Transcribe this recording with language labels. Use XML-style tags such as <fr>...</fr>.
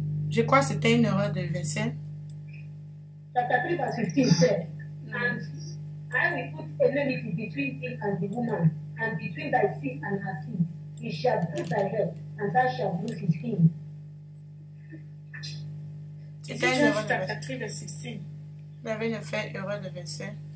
<fr>Je crois que c'était une erreur de verset. Ça t'a pris parce que tu sais.</fr> <en>I will put enmity between thee and the woman, and between thy seed and her seed. He shall bruise thy head, and thou shalt bruise his heel. Genesis chapter 3, verse 16.</en> <fr>Vous avez une erreur de verset.</fr>